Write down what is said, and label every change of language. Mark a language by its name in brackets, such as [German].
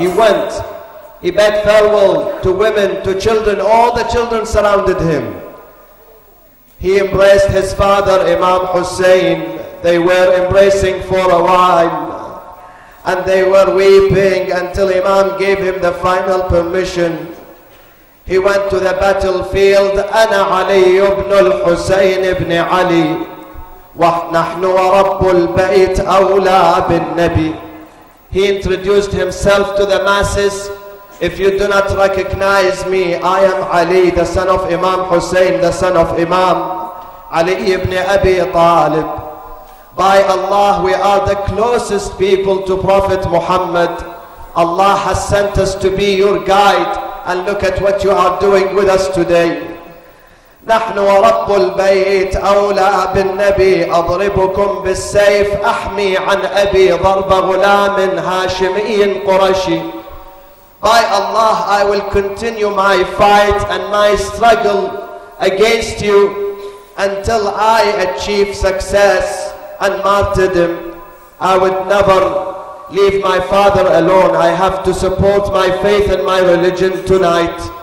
[English] He went, he bade farewell to women, to children, all the children surrounded him. He embraced his father, Imam Hussein. They were embracing for a while. And they were weeping until Imam gave him the final permission. He went to the battlefield. [Arabic] أنا علي ابن الحسين ابن علي ونحن ورب البيت أولى بالنبي. [English] He introduced himself to the masses. If you do not recognize me, I am Ali, the son of Imam Hussein, the son of Imam Ali ibn Abi Talib. By Allah, we are the closest people to Prophet Muhammad. Allah has sent us to be your guide, and look at what you are doing with us today. [Arabic] نحن ورب البيت أولى بالنبي أضربكم بالسيف أحمي عن أبي ضرب غلام هاشمي قرشي. [English] By Allah, I will continue my fight and my struggle against you until I achieve success and martyrdom. I would never leave my father alone. I have to support my faith and my religion tonight.